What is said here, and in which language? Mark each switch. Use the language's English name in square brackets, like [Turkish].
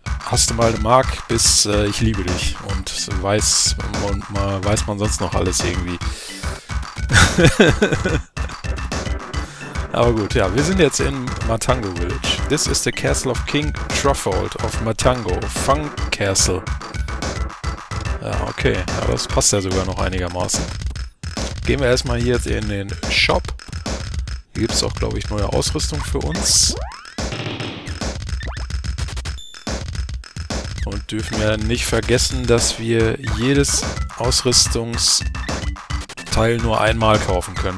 [German] Hast du mal eine Mark bis ich liebe dich und weiß man sonst noch alles irgendwie. Aber gut, ja, wir sind jetzt in Matango Village. [English] This is the castle of King Truffold of Matango, Funk Castle. [German] Ja, okay, ja, das passt ja sogar noch einigermaßen. Gehen wir erstmal hier jetzt in den Shop. Hier gibt es auch, glaube ich, neue Ausrüstung für uns. Dürfen wir nicht vergessen, dass wir jedes Ausrüstungsteil nur einmal kaufen können.